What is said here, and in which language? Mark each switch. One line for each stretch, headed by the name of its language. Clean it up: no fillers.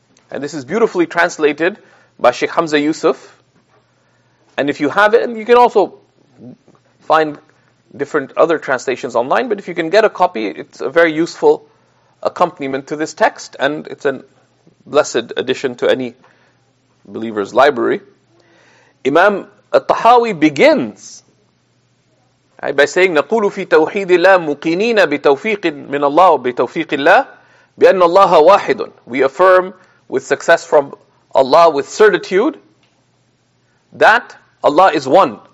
English: And this is beautifully translated by Sheikh Hamza Yusuf. And if you have it, and you can also find different other translations online, but if you can get a copy, it's a very useful accompaniment to this text, and it's a blessed addition to any believer's library. Imam al-Tahawi begins by saying,
Arabic: نَقُولُ فِي تَوْحِيدِ اللَّهِ مُقِينِينَ بِتَوْفِيقٍ مِنَ اللَّهُ بِتَوْفِيقِ اللَّهِ بِأَنَّ اللَّهَ وَاحِدٌ.
English: We affirm with success from Allah with certitude that Allah is one.